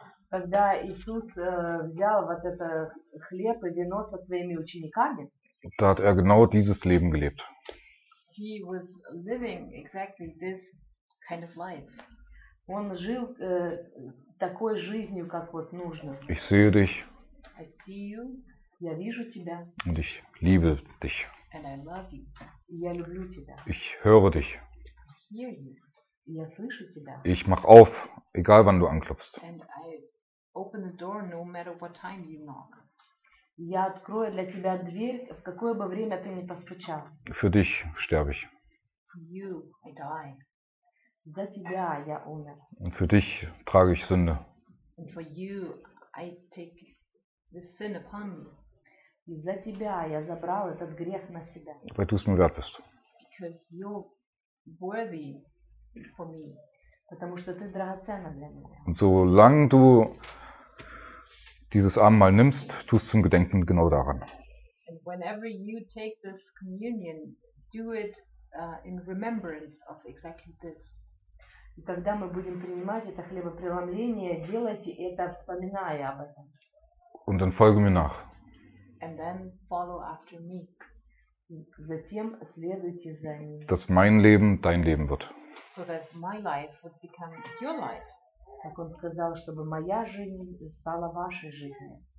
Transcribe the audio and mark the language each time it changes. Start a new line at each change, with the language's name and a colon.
Russian: Когда Иисус взял вот это хлеб и вино со своими учениками,
German: da hat er genau dieses Leben gelebt.
English: He was living exactly this kind of life.
Russian: Он жил такой жизнью, как вот нужно.
German: Ich sehe dich.
English: I see you.
Russian: Я вижу тебя.
German: Und ich liebe dich.
English: And I love you.
Russian: Я люблю тебя.
German: Ich höre dich.
English: I hear you.
Russian: Я слышу тебя.
German: Ich mach auf, egal wann du anklopfst.
English: And I open the door no matter what time you knock.
Russian: Я открою для тебя дверь, в какое бы время ты ни постучал.
German: Für dich sterbe ich.
English: For you, I die.
Russian: За тебя я умер.
German: Und für dich trage ich Sünde.
English: And for you, I take the sin upon me.
Russian: И за тебя я забрал этот грех на себя.
German: Weil du es mir wert bist.
English: Because you're worthy for me.
Russian: Потому что ты драгоценна для меня.
German: Und solange du dieses Abendmahl nimmst, tust zum Gedenken genau daran.
English: And whenever you take this communion, do it in remembrance of exactly this.
Russian: И когда мы будем принимать это хлебопреломление, делайте это, вспоминая об этом.
German: Und dann folge mir nach.
English: And then follow after me.
Russian: Затем следуйте за ним.
German: Dass mein Leben dein Leben wird.
English: So that my life would become your life.
Russian: Как он сказал, чтобы моя жизнь стала вашей жизнью.